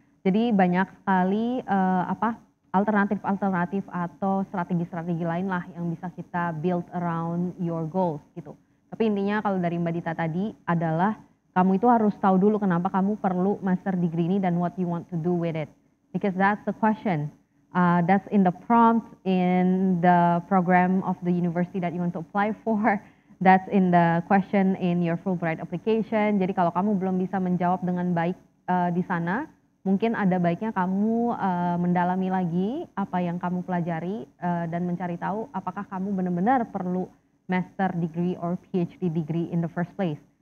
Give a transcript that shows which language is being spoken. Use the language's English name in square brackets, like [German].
[Indonesian] Jadi banyak sekali alternatif-alternatif atau strategi-strategi lain lah yang bisa kita [English] build around your goals [Indonesian] gitu. Tapi intinya kalau dari Mbak Dita tadi adalah kamu itu harus tahu dulu kenapa kamu perlu master degree ini dan [English] what you want to do with it. Because that's the question. That's in the prompt in the program of the university that you want to apply for. That's in the question in your Fulbright application. [Indonesian] Jadi kalau kamu belum bisa menjawab dengan baik di sana, mungkin ada baiknya kamu mendalami lagi apa yang kamu pelajari dan mencari tahu apakah kamu benar-benar perlu [English] master degree or PhD degree in the first place.